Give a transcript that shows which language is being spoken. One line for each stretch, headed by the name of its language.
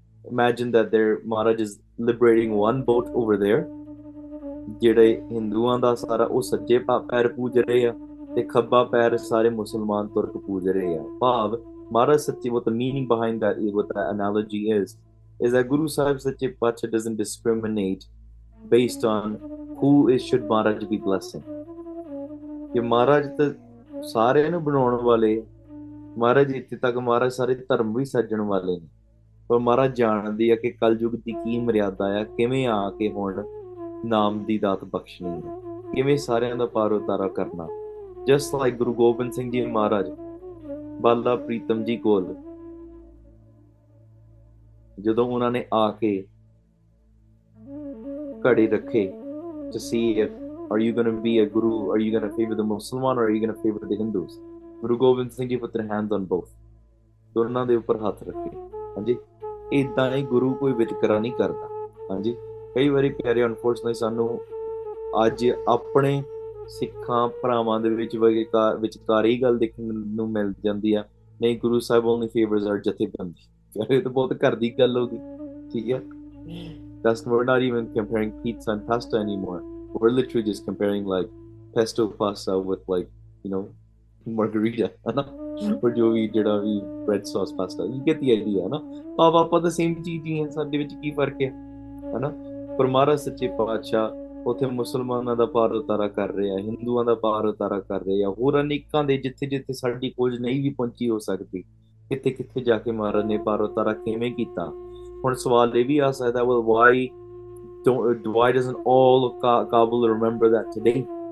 English: imagine that there Maharaj is liberating one boat over there,
Punjabi: ਜਿਹੜੇ ਹਿੰਦੂਆਂ ਦਾ ਸਾਰਾ ਉਹ ਸੱਜੇ ਪੈਰ ਪੂਜ ਰਹੇ ਆ, ਤੇ ਖੱਬਾ ਪੈਰ ਸਾਰੇ ਮੁਸਲਮਾਨ ਤੁਰਕ ਪੂਜ ਰਹੇ ਆ। ਭਾਵ ਮਹਾਰਾਜ ਸੱਚੀ,
English: What meaning behind that, what analogy is, is that Guru Sahib Sache Pacha doesn't discriminate based on who is should Maharaj be blessing.
Punjabi: ਕਿ ਮਹਾਰਾਜ ਤਾਂ ਸਾਰਿਆਂ ਨੂੰ ਬਣਾਉਣ ਵਾਲੇ ਮਹਾਰਾਜ ਇੱਥੇ ਤੱਕ ਮਹਾਰਾਜ ਸਾਰੇ ਧਰਮ ਵੀ ਸਾਜਣ ਵਾਲੇ ਨੇ ਪਰ ਮਹਾਰਾਜ ਜਾਣਦੇ ਆ ਕਿ ਕਲਯੁਗ ਦੀ ਕੀ ਮਰਿਆਦਾ ਆ ਕਿਵੇਂ ਆ ਕੇ ਹੁਣ ਨਾਮ ਦੀ ਦਾਤ ਬਖਸ਼ਣੀ ਹੈ ਕਿਵੇਂ ਸਾਰਿਆਂ ਦਾ ਪਾਰ ਉਤਾਰਾ ਕਰਨਾ
English: just like
Punjabi: ਗੁਰੂ ਗੋਬਿੰਦ ਸਿੰਘ ਜੀ ਮਹਾਰਾਜ ਬਾਲਾ ਪ੍ਰੀਤਮ ਜੀ ਕੋਲ ਜਦੋਂ ਉਹਨਾਂ ਨੇ ਆ ਕੇ ਘੜੀ ਰੱਖੇ
English: Are you going to be a guru? Are you going to favor the Muslim one or are you going to favor the Hindus? Guru Gobind Singh Ji put their hands on both.
Punjabi: ਦੋਨਾ ਦੇ ਉੱਪਰ ਹੱਥ ਰੱਖੇ. Hanji. ਏਦਾਂ ਹੀ ਗੁਰੂ ਕੋਈ ਵਿਤਕਰਾ ਨਹੀਂ ਕਰਦਾ. Hanji. ਕਈ ਵਾਰੀ ਪਿਆਰੇ unfortunately ਸਾਨੂੰ ਅੱਜ ਆਪਣੇ ਸਿੱਖਾਂ ਭਰਾਵਾਂ ਦੇ ਵਿੱਚ ਵਿਕਾਰ ਵਿਚਕਾਰ ਹੀ ਗੱਲ ਦੇਖਣ ਨੂੰ ਮਿਲ ਜਾਂਦੀ ਹੈ. ਨਹੀਂ Guru Sahib
English: only favors our
Punjabi: ਜਥੇਬੰਦੀ. ਕਰੇ ਤੋ ਬਹੁਤ ਘਰ ਦੀ ਗੱਲ ਹੋਗੀ. ਠੀਕ ਹੈ.
English: That's we're not even comparing pizza and pasta anymore. We're literally just comparing like pesto pasta with like, you know, margarita, or
Punjabi: ਜੋ ਵੀ ਜਾਦਾ ਵੀ
English: bread sauce pasta. You get the idea, na?
Punjabi: ਆਪ ਆਪ ਦ ਸੇਮ ਚੀਜ਼ ਹੀ ਹੈ, ਸਾਡੇ ਵਿੱਚ ਕੀ ਫ਼ਰਕ ਹੈ, ਨਾ? ਪਰ ਮਾੜਾ ਸੱਚੇ ਪਾਤਸ਼ਾਹ, ਉੱਥੇ ਮੁਸਲਮਾਨਾਂ ਦਾ ਪਾਰ ਉਤਾਰਾ ਕਰ ਰਹੇ ਹੈ, ਹਿੰਦੂਆਂ ਦਾ ਪਾਰ ਉਤਾਰਾ ਕਰ ਰਹੇ ਹੈ, ਹੋਰ ਅਨੇਕਾਂ ਦੇ ਜਿੱਥੇ ਜਿੱਥੇ ਸਾਡੀ ਖੋਜ ਨਹੀਂ ਵੀ ਪਹੁੰਚੀ ਹੋ ਸਕਦੀ, ਕਿੱਥੇ ਕਿੱਥੇ ਜਾ ਕੇ ਮਾੜਾ ਨੇ ਪਾਰ ਉਤਾਰਾ ਕਿਵੇਂ ਕੀਤਾ। ਹੁਣ ਸਵਾਲ ਇਹ ਵੀ ਆ ਸਕਦਾ,
English: well, why? Why doesn't all of Kabul remember that today?